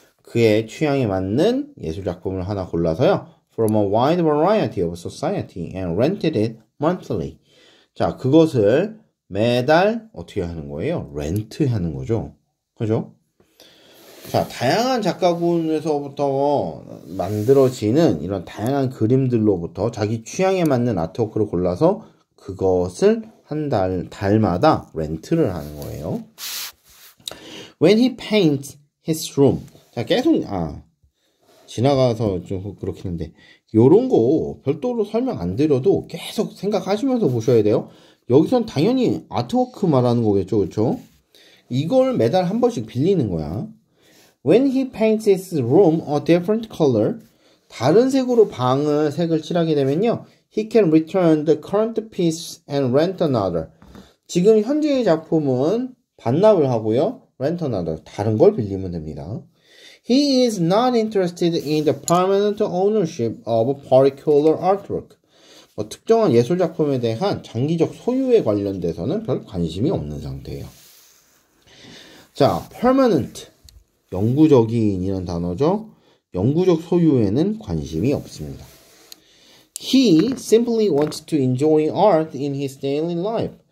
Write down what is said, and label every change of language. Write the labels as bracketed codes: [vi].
[ko] 그의 취향에 맞는 예술 작품을 하나 골라서요. [en] From a wide variety of society and rented it monthly. [ko] 자, 그것을 매달 어떻게 하는 거예요? 렌트 하는 거죠. 그죠? 자, 다양한 작가군에서부터 만들어지는 이런 다양한 그림들로부터 자기 취향에 맞는 아트워크를 골라서 그것을 한 달, 달마다 렌트를 하는 거예요. [en] When he paints his room. [ko] 자, 계속, 지나가서 좀 그렇긴 한데, 요런 거 별도로 설명 안 드려도 계속 생각하시면서 보셔야 돼요. 여기선 당연히 아트워크 말하는 거겠죠, 그렇죠? 이걸 매달 한 번씩 빌리는 거야. [en] When he paints his room a different color, [ko] 다른 색으로 방을 색을 칠하게 되면요, [en] he can return the current piece and rent another. [ko] 지금 현재의 작품은 반납을 하고요, [en] rent another [ko] 다른 걸 빌리면 됩니다. [en] He is not interested in the permanent ownership of particular artwork. [ko] 뭐 특정한 예술 작품에 대한 장기적 소유에 관련돼서는 별 관심이 없는 상태예요. 자, permanent. 영구적인이라는 단어죠. 영구적 소유에는 관심이 없습니다. [en] He simply wants to enjoy art in his daily life.